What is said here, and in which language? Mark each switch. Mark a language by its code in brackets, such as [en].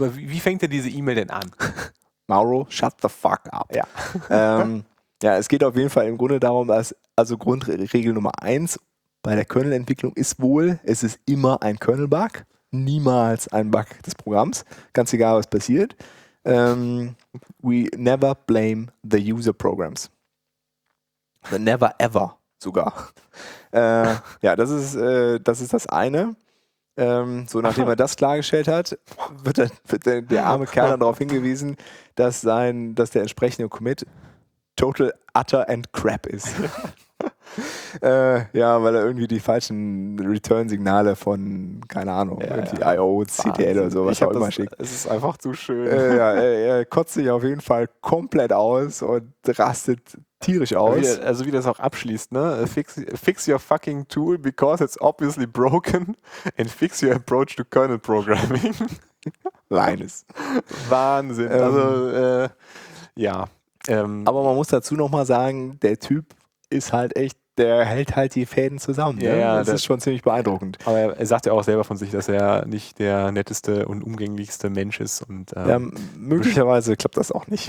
[de] Aber wie fängt er diese E-Mail denn an? [en] Mauro, shut the fuck up. [de] Ja. Ja, es geht auf jeden Fall im Grunde darum, dass, also Grundregel Nummer 1 bei der Kernel-Entwicklung ist wohl, es ist immer ein Kernel-Bug, niemals ein Bug des Programms, ganz egal, was passiert. [en] We never blame the user programs. But never ever [de] sogar. Ja, das ist das eine. So nachdem er das klargestellt hat, wird dann der arme Kerl dann darauf hingewiesen, dass der entsprechende Commit [en] total, utter and crap [de] ist. ja, weil er irgendwie die falschen Return-Signale von, keine Ahnung, irgendwie I.O., CTL Wahnsinn. Oder sowas auch immer schickt. Es ist einfach zu schön. er kotzt sich auf jeden Fall komplett aus und rastet tierisch aus. Also wie das auch abschließt, ne? [en] Fix your fucking tool because it's obviously broken and fix your approach to kernel programming. Linus. [de] Wahnsinn. Also, aber man muss dazu nochmal sagen, der Typ ist halt echt, der hält halt die Fäden zusammen. Ja, ne? das ist schon ziemlich beeindruckend. Aber er sagt ja auch selber von sich, dass er nicht der netteste und umgänglichste Mensch ist. Und, möglicherweise klappt das auch nicht.